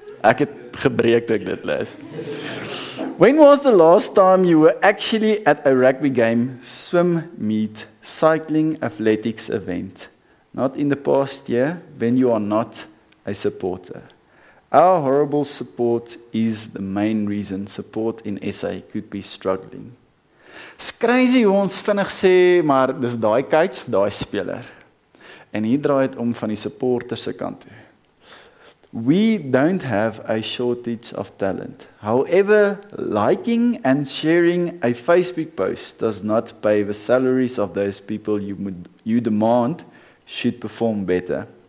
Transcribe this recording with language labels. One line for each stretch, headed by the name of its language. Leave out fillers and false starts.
Afrikaans: Ek het gebreek toe ek dit lees.
English: When was the last time you were actually at a rugby game, swim meet, cycling athletics event? Not in the past year, when you are not a supporter. Our horrible support is the main reason support in SA could be struggling. It's crazy
Afrikaans: hoe ons vinnig sê, maar dis daai coach of daai speler. En hier draai het om van die supporters se kant toe.
English: We don't have a shortage of talent. However, liking and sharing a Facebook post does not pay the salaries of those people you demand should perform better.